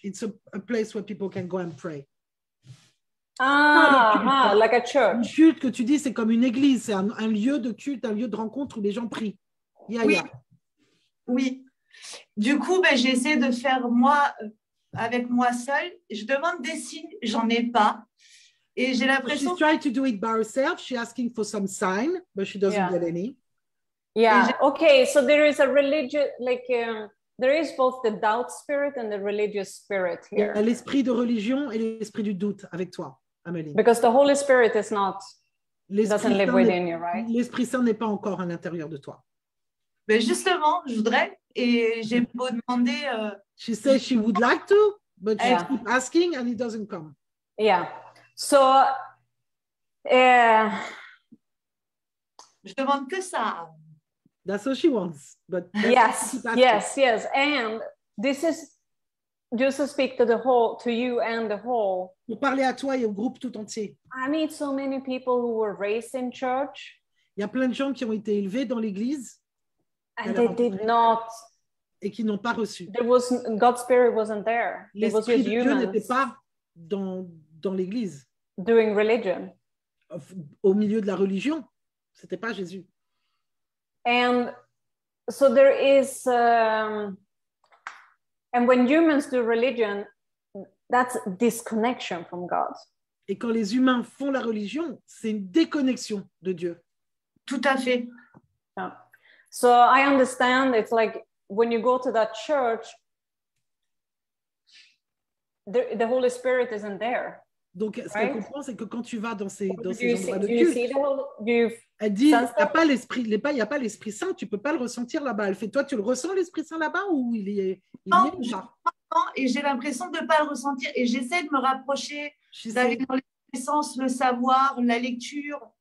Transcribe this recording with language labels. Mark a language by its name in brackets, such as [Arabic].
[English] It's a place where people can go and pray. Like a church. [French] Un culte que tu dis, c'est comme une église. C'est un lieu de culte, un lieu de rencontre où les gens prient. Oui. Du coup, j'essaie de faire moi, avec moi seule. Je demande des signes, j'en ai pas. Et j'ai l'impression... [English] She's trying to do it by herself. She's asking for some sign, but she doesn't get any. Yeah, okay. So there is a religious, there is both the doubt spirit and the religious spirit here. [French] Yeah, l'esprit de religion et l'esprit du doute avec toi, Amélie. [English] Because the Holy Spirit is not, l'esprit doesn't live within you, right? [French] L'Esprit Saint n'est pas encore à l'intérieur de toi. Mais justement, je voudrais et j'ai beau demander. [English] She says she would like to, but she keep asking and it doesn't come. Yeah. So. [French] Je demande que ça. [English] That's what she wants. But yes. And this is just to speak to the whole, to you and the whole. [French] Pour parler à toi et au groupe tout entier. [English] I meet so many people who were raised in church. [French] Il y a plein de gens qui ont été élevés dans l'église. [English] And they did not. [French] Et qui n'ont pas reçu. [English] There was God's spirit wasn't there. [French] L'esprit de Dieu n'était pas dans l'église. [English] Doing religion. [French] Au milieu de la religion, c'était pas Jésus. [English] And so there is. And when humans do religion, that's disconnection from God. [French] Et quand les humains font la religion, c'est une déconnexion de Dieu. Tout à fait. [English] So I understand it's like when you go to that church, the Holy Spirit isn't there. [French] Donc, ce que je comprends, c'est que quand tu vas dans ces endroits de culte, elle dit il n'y a pas l'Esprit Saint, tu ne peux pas le ressentir là-bas. Elle fait, toi, tu le ressens l'Esprit Saint là-bas ou il y est? Non, et j'ai l'impression de ne pas le ressentir. Et j'essaie de me rapprocher d'aller dans les connaissances, le savoir, la lecture.